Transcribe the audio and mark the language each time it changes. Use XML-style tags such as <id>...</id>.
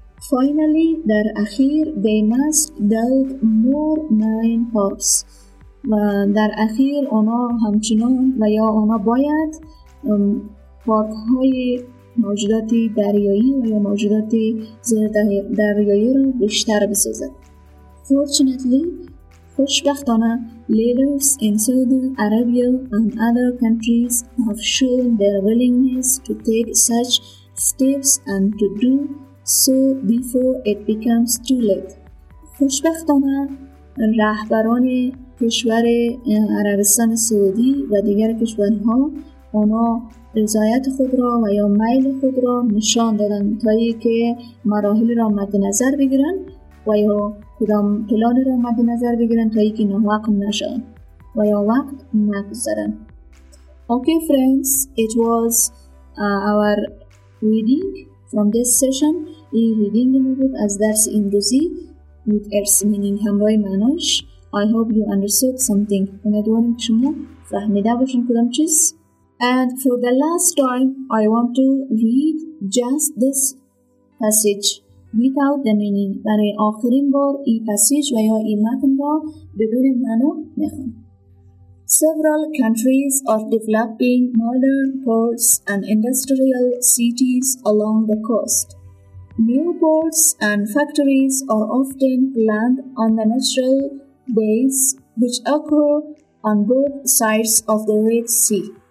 <en>Finally,</en> <fa>در اخیر</fa> <en>they must build more marine parks.</en> <fa>و در اخیر اونا همچنان و یا اونا باید پارک های موجودات دریایی و یا موجودات زیر دریایی رو بیشتر بسازند.</fa> <en>Fortunately,</en> <fa>خوشبختانه</fa> <en>leaders in Saudi Arabia and other countries have shown their willingness to take such steps and to do so before it becomes too late.</en> <fa>خوشبختانه رهبران کشور عربستان سعودی و دیگر کشورها اونا رضایت خود را و یا میل خود را نشان دادن تا ای که مراحل را مد نظر بگیرن و یا کدام پلان را مد نظر بگیرن تا ای که ناحق نشن و یا وقت نگذرن.</fa> <en>Okay friends, it was our reading from this session.</en> <fa>این reading ما بود از درس امروزی</fa> <en>with its meaning</en> <fa>همراه معناش.</fa> <en>I hope you understood something.</en> <fa>امیدوارم که شما فهمیده باشین کدام چیز.</fa> <en>And for the last time, I want to read just this passage without the meaning.</en> <fa>برای آخرین بار این پسیج و یا این متن را بدون معنا میخوام.</fa> <en>Several countries are developing modern ports and industrial cities along the coast. New ports and factories are often planned on the natural bays which occur on both sides of the Red Sea.</en>